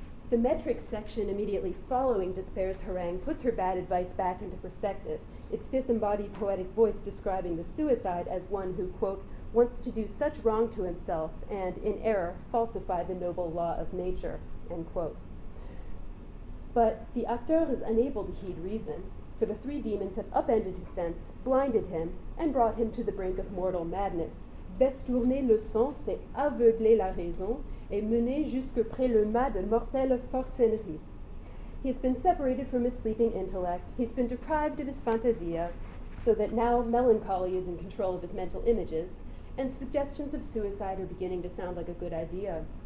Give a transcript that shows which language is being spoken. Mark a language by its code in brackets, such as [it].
[en] The metric section immediately following Despair's harangue puts her bad advice back into perspective, its disembodied poetic voice describing the suicide as one who, quote, "wants to do such wrong to himself and, in error, falsify the noble law of nature," end quote. But the acteur is unable to heed reason, for the three demons have upended his sense, blinded him, and brought him to the brink of mortal madness. [fr] Bestourner le sang, c'est aveugler la raison, et mener jusque près le mât de mortelle forcennerie. [en] He has been separated from his sleeping intellect, he's been deprived of his fantasia, so that now melancholy is in control of his mental images, and suggestions of suicide are beginning to sound like a good idea.